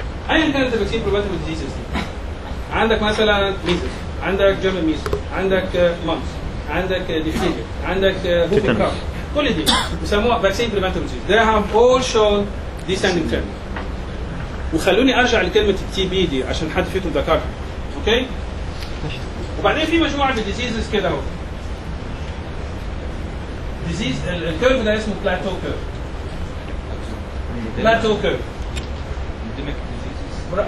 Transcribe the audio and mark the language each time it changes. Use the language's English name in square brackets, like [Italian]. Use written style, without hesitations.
[Arabic] أيا كانت [English] vaccine preventable diseases [Arabic] عندك مثلا ميزس, عندك جيرمن ميزس, عندك مونس, عندك ديفتيريا, عندك هوبينج كاف, كل دي يسموها vaccine preventable diseases. [English] They have all shown descending trend. [Arabic] وخلوني ارجع لكلمه التي بي دي عشان حد فيكم ذكرها. اوكي, وبعدين في مجموعه من ديزيزز كده اهو ديزيز الكيرف ده اسمه بلاتو كيرف. بلاتو كيرف انديميك ديزيز.